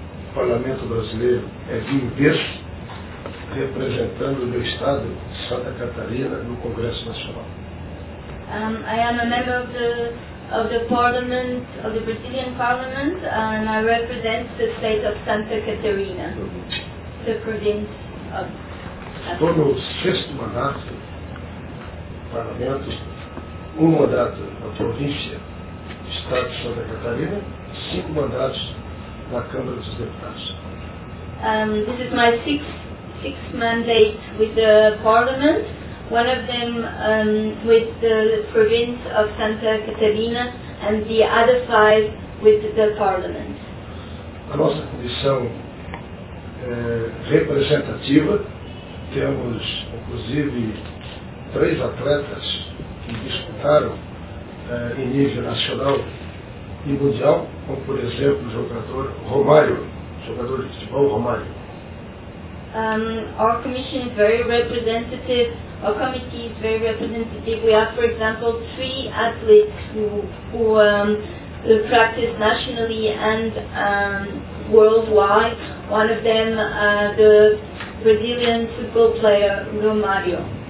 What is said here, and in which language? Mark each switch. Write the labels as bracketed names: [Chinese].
[Portuguese] O Parlamento Brasileiro é vivo berço, representando o meu estado de Santa Catarina no Congresso Nacional. [English] I am a member of the Parliament, of the Brazilian Parliament, and I represent the state of Santa Catarina, the province of... [Portuguese] Estou no sexto mandato do Parlamento, um mandato na província do estado de Santa Catarina, cinco mandatos na Câmara dos Deputados. [English] This is my sixth mandate with the Parliament, one of them with the province of Santa Catarina, and the other five with the Parliament. [Portuguese] A nossa comissão é representativa, temos inclusive três atletas que disputaram em nível nacional e mundial, como por exemplo o jogador Romário, jogador de futebol Romário. [English] Our commission is very representative, our committee is very representative. We have, for example, three athletes who practice nationally and worldwide. One of them, the Brazilian football player Romário.